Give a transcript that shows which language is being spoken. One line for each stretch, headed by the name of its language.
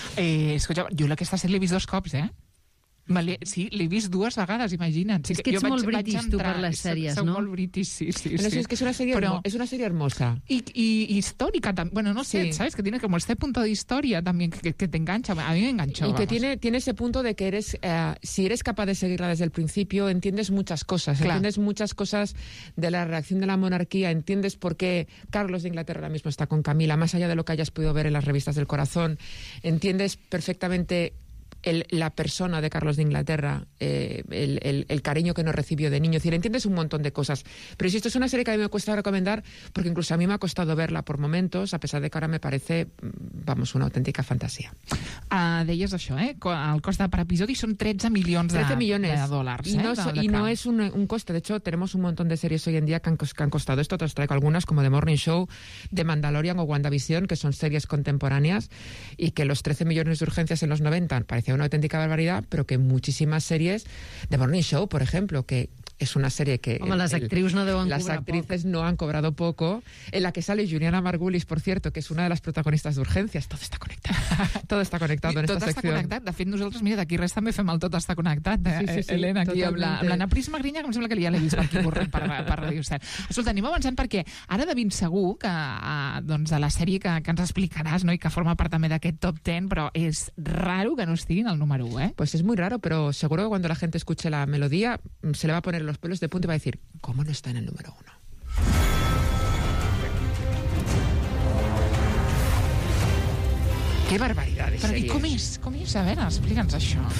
Spanish: Escucha, yo la que esta serie le he visto
Catalan: dos cops,
Spanish: ¿eh?
Catalan: Sí, l'he vist dues vegades, imagina't. És que ets molt british, tu, per les sèries, no? Soc molt british, sí. No, és que és una sèrie hermosa. I històrica, també.
Spanish: Bueno, no sé, ¿sabes? Que tiene como este punto de historia también que te engancha. A mí me enganchó, vamos. Y que tiene ese punto de que eres... si eres capaz de seguirla desde el principio, entiendes muchas cosas. Claro. Entiendes muchas cosas de la reacción de la monarquía. Entiendes por qué Carlos de Inglaterra ahora mismo está con Camila, más allá de lo que hayas podido ver en las revistas del corazón. Entiendes perfectamente... la persona de Carlos de Inglaterra, el cariño que nos recibió de niño. Es decir, entiendes un montón de cosas. Pero si esto es una serie que a mí me cuesta recomendar, porque incluso a mí me ha costado verla por momentos, a pesar de que ahora me parece, vamos, una auténtica fantasía.
Catalan: Deies això, eh? El cost per episodi són 13 milions de dòlars. I no és un cost.
Spanish: De hecho, tenemos un montón de series hoy en día que han costado esto. Te'ls traigo algunas, como The Morning Show, The Mandalorian o WandaVision, que son series contemporáneas, y que los 13 millones de urgencias en los 90 parecía una auténtica barbaridad, pero que muchísimas series, The Morning Show, por ejemplo, que es una serie que...
Catalan: Home,
Spanish: las actrices no han cobrado poco, en la que sale Juliana Margulis, por cierto, que es una de las protagonistas de urgencias. Todo está conectado. Todo está conectado en
Catalan: tot
Spanish: esta está sección.
Catalan: Tot està connectat. De fet, nosaltres, mira, d'aquí res també fem el tot està connectat. Sí, Helena, aquí amb l'Anna Pris Magrinya, que em sembla que ja l'he vist aquí corrent per Radio 7. Escolta, anem avançant perquè ara de ben segur que doncs, a la sèrie que ens explicaràs, no?, i que forma part també d'aquest top 10, però és raro que no estiguin al número 1, eh?
Spanish: Pues es muy raro, pero seguro que cuando la gente escuche la melodía, se le va a poner los pelos de punta y va a decir, ¿cómo no está en el número 1? ¡Qué barbaridad de serie! ¿Y cómo es? ¿Cómo es? A ver, explícanos eso.